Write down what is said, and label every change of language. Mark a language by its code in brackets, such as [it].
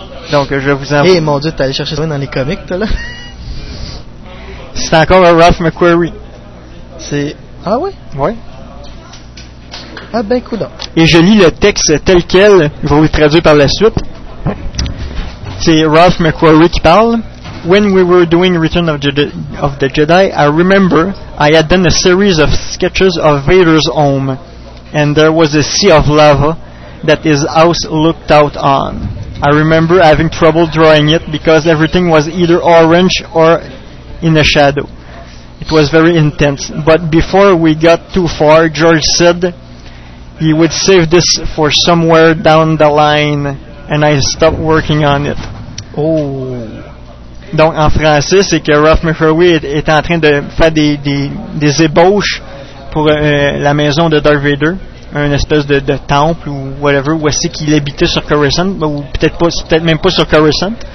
[fr] Donc, je vais vous envoyer. Hey, mon Dieu, t'es allé chercher ça dans les comics, toi, là? C'est encore un Ralph McQuarrie. C'est... Ah oui? Oui. Ah ben, coudonc. Et je lis le texte tel quel, je vais vous le traduire par la suite. C'est Ralph McQuarrie qui parle. [en] « When we were doing Return of the Jedi, I remember I had done a series of sketches of Vader's home, and there was a sea of lava that his house looked out on. I remember having trouble drawing it because everything was either orange or in a shadow. It was very intense. But before we got too far, George said he would save this for somewhere down the line, and I stopped working on it. » Oh. [fr] Donc, en français, c'est que Ralph McQuarrie est en train de faire des ébauches pour la maison de Darth Vader, une espèce de temple ou whatever, où est-ce qu'il habitait sur Coruscant, ou peut-être même pas sur Coruscant.